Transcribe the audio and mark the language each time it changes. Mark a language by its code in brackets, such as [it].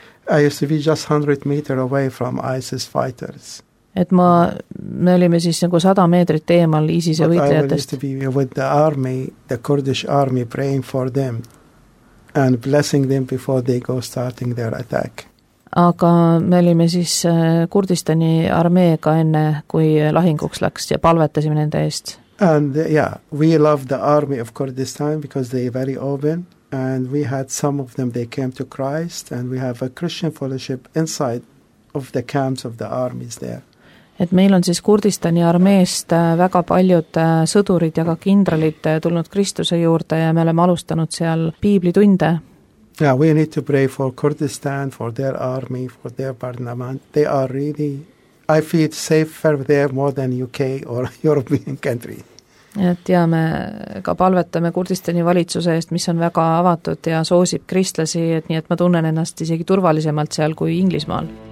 [en] I used to be just 100 meter away from ISIS fighters. [et] Et me olime siis nagu 100 meetrit eemal ISIS-e võitlejatest. [en] I will be with the army, the Kurdish army, praying for them and blessing them before they go starting their attack. [et] Aga me olime siis Kurdistani armeega enne, kui lahinguks läks ja palvetasime nende eest. [en] And yeah, we love the army of Kurdistan because they are very open and we had some of them, they came to Christ and we have a Christian fellowship inside of the camps of the armies there. [et] Et meil on siis Kurdistani armeest väga paljud sõdurid ja ka kindralid tulnud Kristuse juurde ja me oleme alustanud seal piiblitunde. [en] Yeah, we need to pray for Kurdistan, for their army, for their parliament. They are really, I feel safer there more than UK or European country. [et] Et ja me ka palvetame Kurdistani valitsuse eest, mis on väga avatud ja soosib kristlasi, et nii et ma tunnen ennast isegi turvalisemalt seal kui Inglismaal.